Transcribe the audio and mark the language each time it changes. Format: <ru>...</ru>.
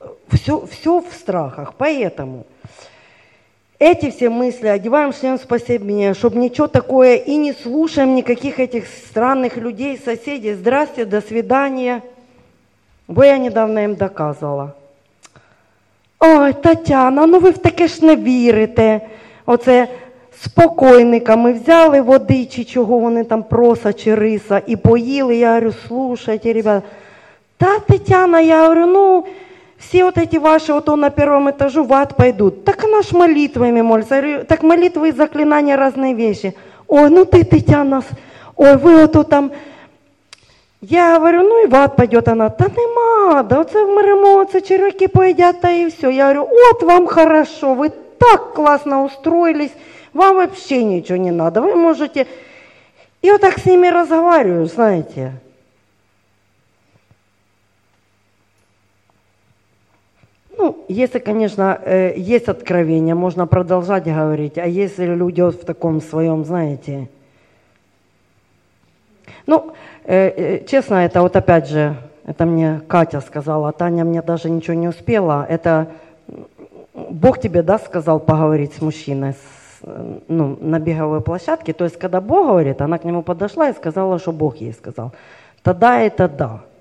<ru>Все в страхах, поэтому... Эти все мысли, одеваем шлем спасения, чтобы ничего такое, и не слушаем никаких этих странных людей, соседей. Здрасте, до свидания. Бо я недавно им доказывала.</ru> <uk>Ой, Татьяна, ну вы в таке ж не вірите. Оце спокойника ми взяли води, чи чого вони там проса чи риса, і поїли.</uk> <ru>Я говорю, слушайте, ребята, Да, Татьяна, я говорю, ну, все вот эти ваши, вот он на первом этаже в ад пойдут. Так она ж молитвами молится. Я говорю, так молитвы и заклинания разные вещи. Ой, ну ты, Татьяна, ой, вы вот тут там... Я говорю, ну и в ад пойдет она.</ru> <uk>Та нема, да оце вмеремо, це черв'яки поїдят, та і все.</uk> <ru>Я говорю, от вам хорошо,</ru> <uk>ви так класно</uk> <ru>устроились, вам вообще</ru> <uk>нічого</uk> <ru>не надо, ви можете...</ru> <uk>І отак з ними розмовляю, знаєте. Ну, якщо, звісно, є откровення, можна продовжувати говорити, а якщо люди в такому своєму, знаєте... Ну...</uk> <ru>Честно, это вот опять же, это мне Катя сказала, Таня мне даже ничего не успела. Это Бог тебе, да, сказал поговорить с мужчиной с, ну, на беговой площадке. То есть, когда Бог говорит, она к нему подошла и сказала, что Бог ей сказал. Тогда это да.</ru>